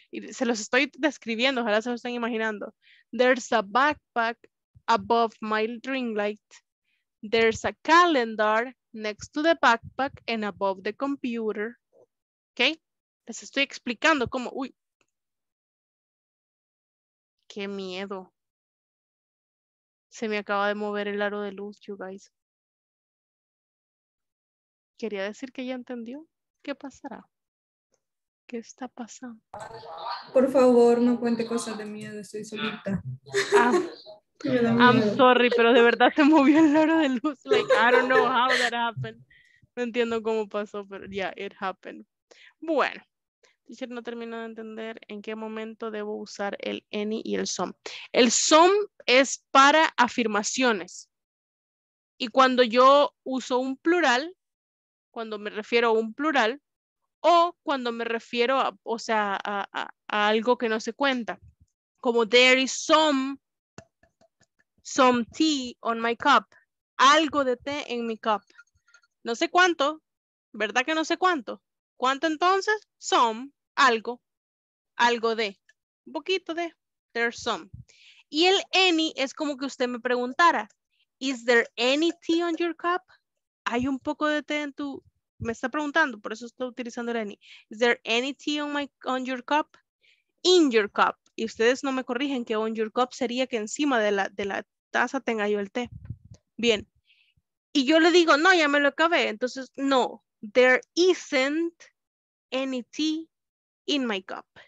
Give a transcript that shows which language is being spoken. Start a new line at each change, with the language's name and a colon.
Spanish: Y se los estoy describiendo, ojalá se lo estén imaginando.
English: There's a backpack above my ring light. There's a calendar next to the backpack and above the computer.
Spanish: Okay. Les estoy explicando cómo. Uy. Qué miedo. Se me acaba de mover el aro de luz,
English: you guys.
Spanish: Quería decir que ya entendió. ¿Qué pasará? ¿Qué está pasando? Por favor, no cuente cosas de miedo. Estoy solita.
English: Ah, I'm sorry,
Spanish: pero de verdad se movió el aro de luz.
English: Like, I don't know how that happened.
Spanish: No entiendo cómo pasó, pero
English: yeah, it happened.
Spanish: Bueno. Teacher, no termino de entender en qué momento debo usar el any y el some. El some es para afirmaciones. Y cuando yo uso un plural, cuando me refiero a un plural, o cuando me refiero a, o sea, a algo que no se cuenta.
English: Como there is some tea on my cup.
Spanish: Algo de té en mi cup. No sé cuánto, ¿verdad que no sé cuánto? ¿Cuánto entonces? Some. Algo, algo de, un poquito de,
English: there's some.
Spanish: Y el any es como que usted me preguntara,
English: is there any tea on your cup?
Spanish: Hay un poco de té en tu, me está preguntando, por eso estoy utilizando el any.
English: Is there any tea on my on your cup? In your cup.
Spanish: Y ustedes no me corrigen que
English: on your cup
Spanish: sería que encima de la taza tenga yo el té. Bien. Y yo le digo, no, ya me lo acabé. Entonces, no,
English: there isn't any tea in my cup.